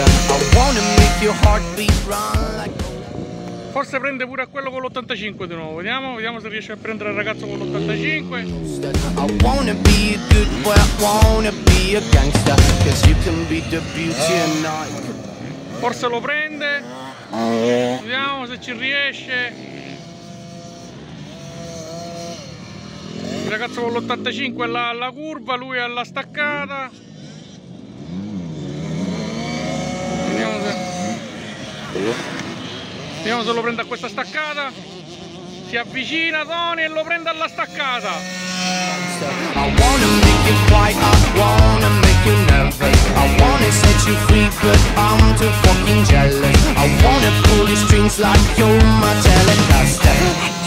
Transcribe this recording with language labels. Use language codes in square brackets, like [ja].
[en] I wanna make your heartbeat run like. [it] Forse prende pure a quello con l'85 di nuovo, vediamo, vediamo se riesce a prendere il ragazzo con l'85. [en] I wanna be a good boy, I wanna be a gangster. Cause you can be the beauty and I. [it] Forse lo prende, vediamo se ci riesce. Il ragazzo con l'85 è là alla curva, lui è alla staccata. Vediamo se. Vediamo se lo prende a questa staccata. Si avvicina Tony e lo prende alla staccata. [en] I wanna make you fight, I wanna make you nervous. I wanna set you free, but I'm too fucking jealous. I wanna pull your strings like you're my telecaster.